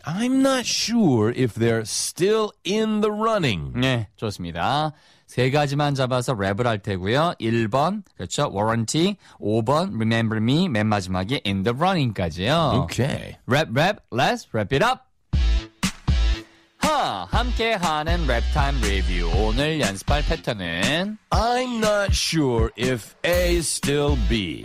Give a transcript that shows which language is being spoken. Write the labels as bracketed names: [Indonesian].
[English] I'm not sure if they're still in the running. [Korean] 네, 좋습니다. 세 가지만 잡아서 랩을 할 테고요. 1번, 그렇죠? [English] Warranty. 5번, Remember Me. [Korean] 맨 마지막에 In the Running까지요. [English] Okay. Rap. Let's wrap it up. [Korean] 함께하는 랩 타임 리뷰. 오늘 연습할 패턴은 [English] I'm not sure if A is still B.